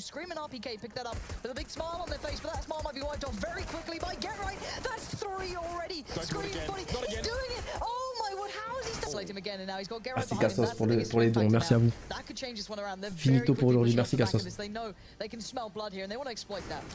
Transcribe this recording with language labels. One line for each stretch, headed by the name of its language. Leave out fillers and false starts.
English: Screaming RPK picked that up with a big smile on their face, but that smile might be wiped off very quickly by Get Right. That's three already. Screaming funny. He's doing it. Oh my word, how is he still again? And now he's got Get Right.
French: Cassos pour les dons, merci à vous. Finito pour aujourd'hui, merci Cassos.
English: They can smell blood here and they want to exploit that.